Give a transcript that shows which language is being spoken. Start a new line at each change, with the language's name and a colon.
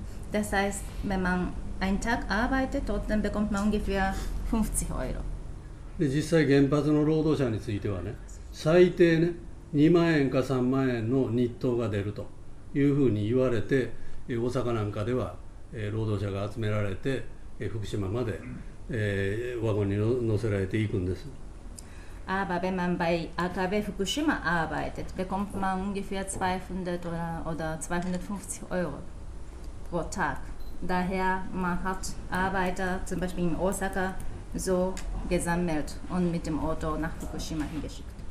German: Das heißt, wenn man einen Tag arbeitet, dann bekommt man ungefähr 50 Euro.
Japanese: で、実際原発の労働者についてはね、最低ね、2万円か3万円の日当が出るというふうに言われて、大阪なんかでは労働者が集められて、福島まで。
German: Aber wenn man bei AKW Fukushima arbeitet, bekommt man ungefähr 200 oder 250 Euro pro Tag. Daher man hat Arbeiter zum Beispiel in Osaka so gesammelt und mit dem Auto nach Fukushima hingeschickt.